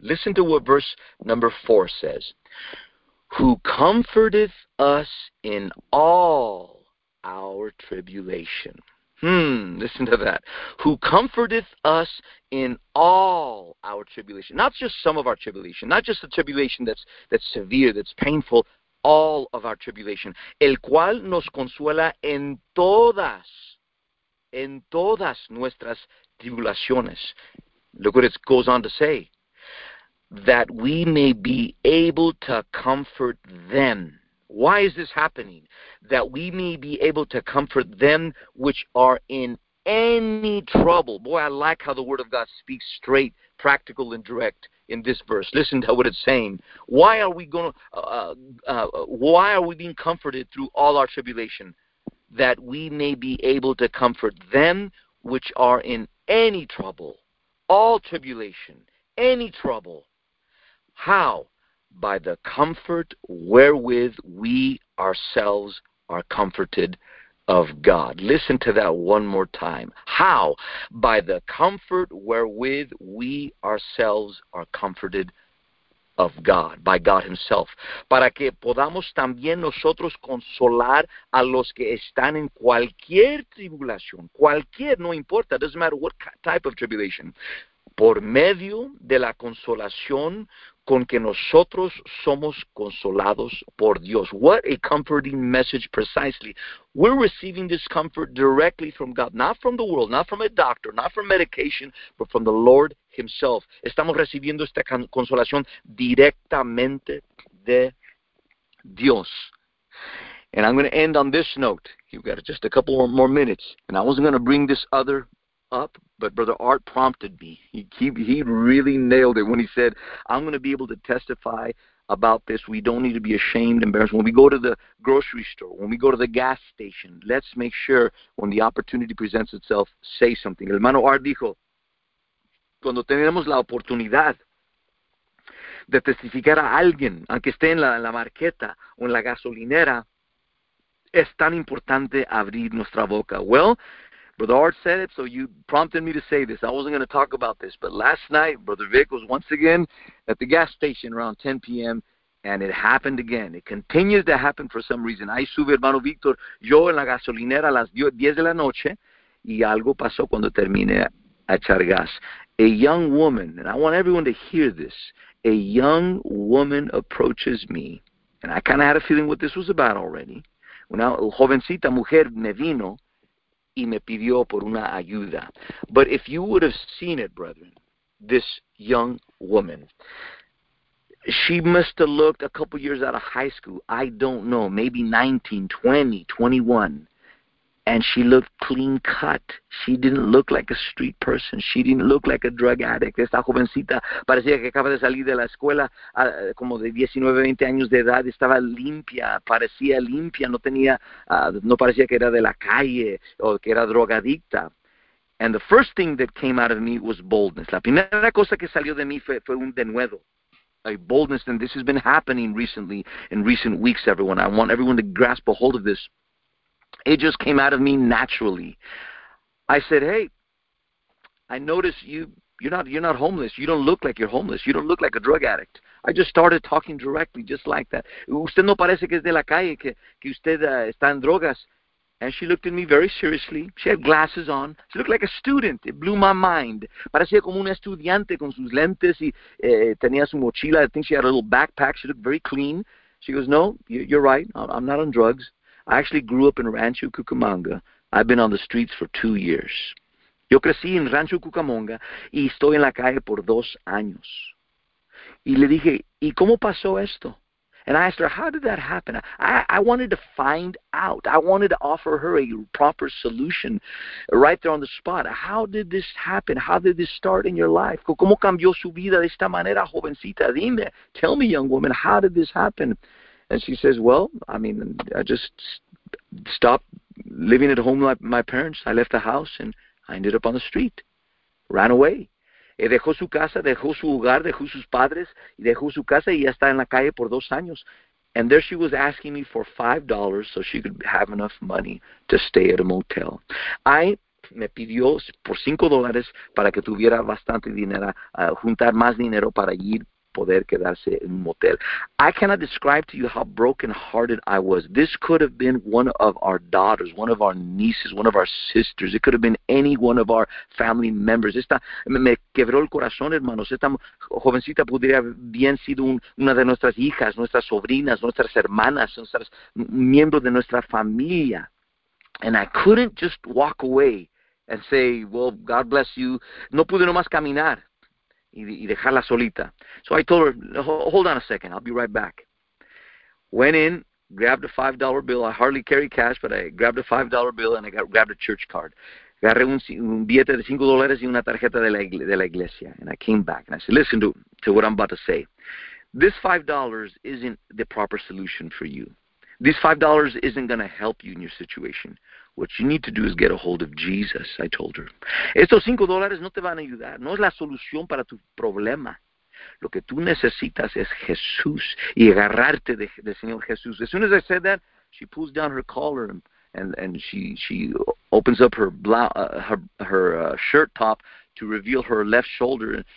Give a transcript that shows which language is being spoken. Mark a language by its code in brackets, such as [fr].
[en] Listen to what verse number 4 says. Who comforteth us in all our tribulation. Listen to that. Who comforteth us in all our tribulation. Not just some of our tribulation. Not just the tribulation that's severe, that's painful. All of our tribulation. [es] El cual nos consuela en todas nuestras tribulaciones. [en] Look what it goes on to say. That we may be able to comfort them. Why is this happening? That we may be able to comfort them which are in any trouble. Boy, I like how the Word of God speaks straight, practical, and direct in this verse. Listen to what it's saying. Why are we going? Why are we being comforted through all our tribulation? That we may be able to comfort them which are in any trouble, all tribulation, any trouble. How? By the comfort wherewith we ourselves are comforted of God. Listen to that one more time. How? By the comfort wherewith we ourselves are comforted of God, by God Himself. [es] Para que podamos también nosotros consolar a los que están en cualquier tribulación. Cualquier, no importa, [en] doesn't matter what type of tribulation. [es] Por medio de la consolación con que nosotros somos consolados por Dios. [en] What a comforting message precisely. We're receiving this comfort directly from God, not from the world, not from a doctor, not from medication, but from the Lord Himself. [es] Estamos recibiendo esta consolación directamente de Dios. [en] And I'm going to end on this note. You've got just a couple more minutes. And I wasn't going to bring this other up, but Brother Art prompted me. He really nailed it when he said, I'm going to be able to testify about this. We don't need to be ashamed, embarrassed. When we go to the grocery store, when we go to the gas station, let's make sure when the opportunity presents itself, say something. [es] Hermano Art dijo, cuando tenemos la oportunidad de testificar a alguien, aunque esté en la marqueta o en la gasolinera, es tan importante abrir nuestra boca. [en] Well, Brother Art said it, so you prompted me to say this. I wasn't going to talk about this, but last night, Brother Vic was once again at the gas station around 10 p.m., and it happened again. It continues to happen for some reason. [es] Ahí sube hermano Víctor, yo en la gasolinera a las 10 de la noche, y algo pasó cuando terminé a echar gas. [en] A young woman, and I want everyone to hear this, a young woman approaches me, and I kind of had a feeling what this was about already. [es] Una jovencita mujer me vino y me pidió por una ayuda. [en] But if you would have seen it, brethren, this young woman, she must have looked a couple years out of high school. I don't know, maybe 19, 20, 21. And she looked clean cut. She didn't look like a street person. She didn't look like a drug addict. [es] Esta jovencita parecía que acaba de salir de la escuela, como de 19, 20 años de edad. Estaba limpia, parecía limpia. No tenía, no parecía que era de la calle o que era drogadicta. [en] And the first thing that came out of me was boldness. [es] La primera cosa que salió de mí fue un denuedo. [en] A boldness, and this has been happening recently, in recent weeks, everyone. I want everyone to grasp a hold of this. It just came out of me naturally. I said, hey, I noticed you're not homeless. You don't look like you're homeless. You don't look like a drug addict. I just started talking directly, just like that. [es] Usted no parece que es de la calle, que usted está en drogas. [en] And she looked at me very seriously. She had glasses on. She looked like a student. It blew my mind. [es] Parecía como un estudiante con sus lentes y tenía su mochila. [en] I think she had a little backpack. She looked very clean. She goes, no, you're right. I'm not on drugs. I actually grew up in Rancho Cucamonga. I've been on the streets for 2 years. [es] Yo crecí en Rancho Cucamonga y estoy en la calle por 2 años. Y le dije, ¿y cómo pasó esto? [en] And I asked her, how did that happen? I wanted to find out. I wanted to offer her a proper solution right there on the spot. How did this happen? How did this start in your life? [es] ¿Cómo cambió su vida de esta manera, jovencita? Dime, [en] tell me, young woman, how did this happen? And she says, well, I mean, I just stopped living at home like my parents. I left the house and I ended up on the street. Ran away. [es] Dejó su casa, dejó su hogar, dejó sus padres, dejó su casa y ya está en la calle por 2 años. [en] And there she was asking me for $5 so she could have enough money to stay at a motel. [es] I me pidió por $5 para que tuviera bastante dinero, juntar más dinero para ir. Poder quedarse en un motel. [en] I cannot describe to you how brokenhearted I was. This could have been one of our daughters, one of our nieces, one of our sisters. It could have been any one of our family members. [es] Esta me quebró el corazón, hermanos. Esta jovencita podría bien sido una de nuestras hijas, nuestras sobrinas, nuestras hermanas, nuestras miembros de nuestra familia. [en] And I couldn't just walk away and say, well, God bless you. [es] No pude nomás caminar. Y dejarla solita. [en] So I told her, hold on a second, I'll be right back. Went in, grabbed a $5 bill. I hardly carry cash, but I grabbed a $5 bill and I grabbed a church card. [es] Agarré un billete de $5 y una tarjeta de la iglesia. [en] And I came back and I said, listen to what I'm about to say. This $5 isn't the proper solution for you. This $5 isn't going to help you in your situation. What you need to do is get a hold of Jesus, I told her. [es] Estos $5 no te van a ayudar. No es la solución para tu problema. Lo que tú necesitas es Jesús y agarrarte de Señor Jesús. [en] As soon as I said that, she pulls down her collar and she opens up her shirt top to reveal her left shoulder.